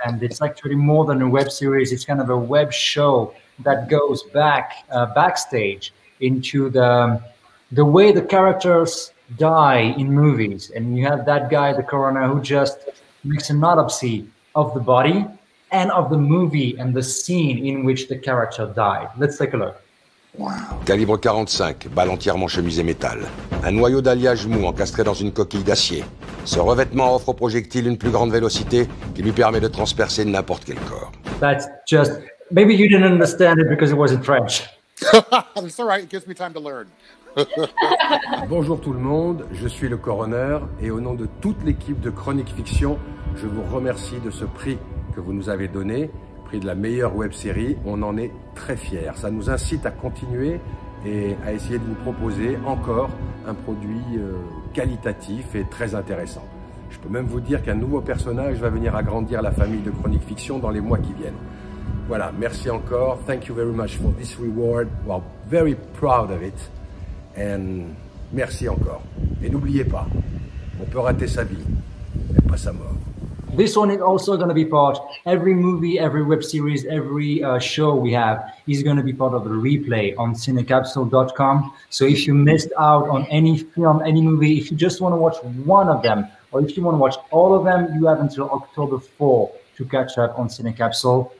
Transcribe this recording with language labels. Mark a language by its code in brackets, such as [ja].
[en] And it's actually more than a web series. It's kind of a web show that goes back backstage into the way the characters die in movies, and you have that guy, the coroner, who just makes an autopsy of the body and of the movie and the scene in which the character died. Let's take a look. [fr] Wow. Calibre 45, balle entièrement chemisée métal. Un noyau d'alliage mou encastré dans une coquille d'acier. Ce revêtement offre au projectile une plus grande vélocité qui lui permet de transpercer n'importe quel corps. [en] That's just, maybe you didn't understand it because it was in French. It's all right, it gives me time to learn. [fr] Bonjour tout le monde, je suis le coroner et au nom de toute l'équipe de Chronique Fiction, je vous remercie de ce prix que vous nous avez donné, prix de la meilleure web série, on en est très fiers. Ça nous incite à continuer et à essayer de vous proposer encore un produit qualitatif et très intéressant. Je peux même vous dire qu'un nouveau personnage va venir agrandir la famille de Chronique Fiction dans les mois qui viennent. Voilà, merci encore. [en] Thank you very much for this reward. We are very proud of it. [fr] And merci encore. Et n'oubliez pas, on peut rater sa vie, mais pas sa mort. [en] This one is also going to be part. Every movie, every web series, every show we have is going to be part of the replay on cinecapsule.com. So if you missed out on any film, any movie, if you just want to watch one of them, or if you want to watch all of them, you have until October 4 to catch up on Cinecapsule.